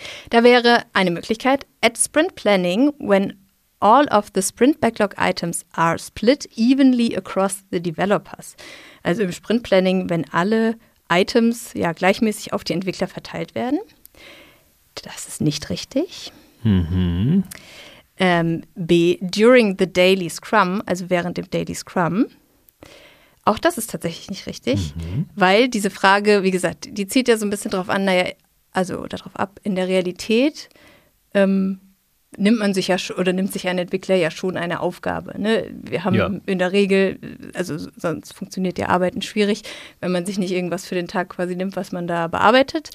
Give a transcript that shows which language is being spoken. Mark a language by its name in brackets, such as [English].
[German] Da wäre eine Möglichkeit, [English] at sprint planning, when all of the sprint backlog items are split evenly across the developers. [German] Also im Sprint-Planning, wenn alle Items ja gleichmäßig auf die Entwickler verteilt werden. Das ist nicht richtig. [English] B, during the daily Scrum, [German] also während dem Daily Scrum. Auch das ist tatsächlich nicht richtig, weil diese Frage, wie gesagt, die zieht ja so ein bisschen drauf an, naja, also darauf ab, in der Realität nimmt sich ein Entwickler ja schon eine Aufgabe. Ne? Wir haben in der Regel, also sonst funktioniert ja Arbeiten schwierig, wenn man sich nicht irgendwas für den Tag quasi nimmt, was man da bearbeitet.